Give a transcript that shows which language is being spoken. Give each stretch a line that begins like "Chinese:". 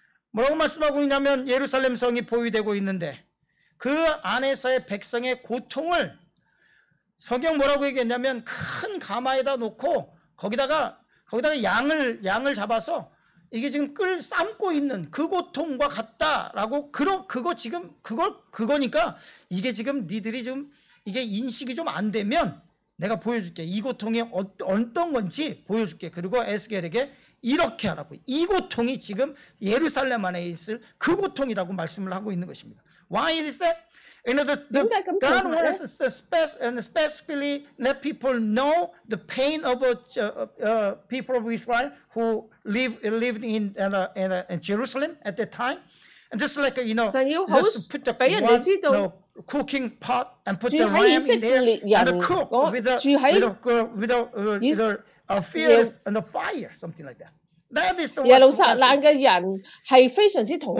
Korean: 뭐라고 말씀하고 있냐면 예루살렘 성이 포위되고 있는데 그 안에서의 백성의 고통을 성경 뭐라고 얘기했냐면 큰 가마에다 놓고 거기다가 양을 잡아서 이게 지금 끌 삶고 있는 그 고통과 같다라고 그거 지금 그거니까 이게 지금 니들이 좀 이게 인식이 좀 안 되면 내가 보여줄게 이 고통이 어떤 건지 보여줄게 그리고 에스겔에게 이렇게 하라고. 이 고통이 지금 예루살렘 안에 있을 그 고통이라고 말씀을 하고 있는 것입니다.
English: Why is that? You know, the God wants especially let people know the pain of people of Israel who lived in Jerusalem at that time. And just like, you know, just put the cooking pot and put the ram in there and cook with a fierce and the fire, something like that. That is the
Cantonese: 耶路撒冷嘅人係非常之痛苦啊！